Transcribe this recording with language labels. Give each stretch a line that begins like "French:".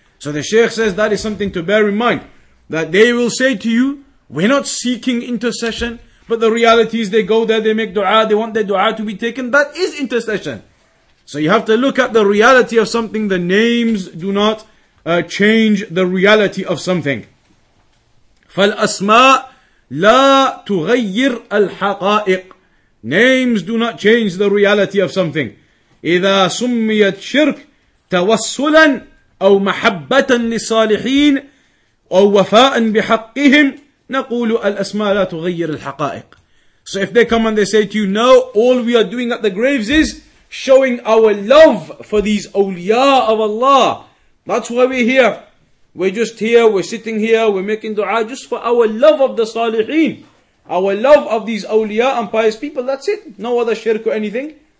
English: So the Shaykh says that is something to bear in mind. That they will say to you, we're not seeking intercession, but the reality is they go there, they make dua, they want their dua to be taken. That is intercession. So you have to look at the reality of something. The names do not change the reality of something.
Arabic: فالأسماء لا تغير الحقائق.
English: Names do not change the reality of something.
Arabic: إذا سميت شرك توسلا أو محبة لصالحين أو وفاء بحقهم نقول الأسماء لا تغير الحقائق.
English: So if they come and they say to you, no, all we are doing at the graves is showing our love for these awliya of Allah. That's why we're here. We're just here, we're sitting here, we're making dua just for our love of the salihin. Our love of these awliya and pious people, that's it. No other shirk or anything.